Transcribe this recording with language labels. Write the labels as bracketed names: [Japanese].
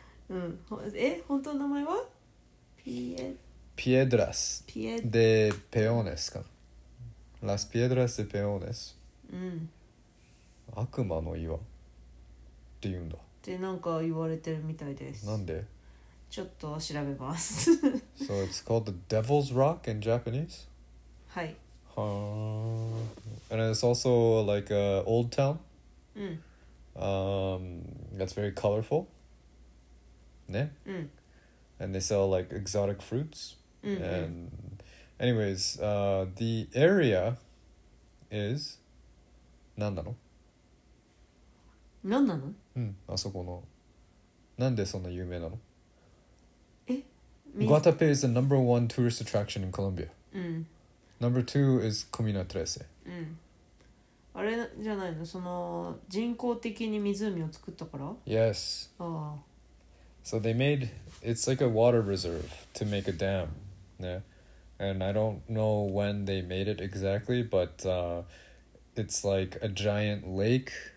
[Japanese] うん、え、本当の名前はピエドラスでペオネスか。ラスピエドラスでペオネス、うん、悪魔の岩っていうんだってなんか言われてるみたいです。なんで？ちょっと調べます。 [English] So it's called the Devil's Rock in Japanese? [Japanese] はい。 [English] はぁ。And it's also like a old town? That's very colorful? ね? And they sell like exotic fruits? And anyways, the area is... [Japanese] なんなの? なんなの? うん、あそこの、なんでそんな有名なの？え、 [English] Guatape is the number one tourist attraction in Colombia. Number two is Comuna 13. [Japanese] あれじゃないの、その人工的に湖を作ったから？ [English] Yes. So they made, it's like a water reserve to make a dam. And I don't know when they made it exactly, but it's like a giant lake.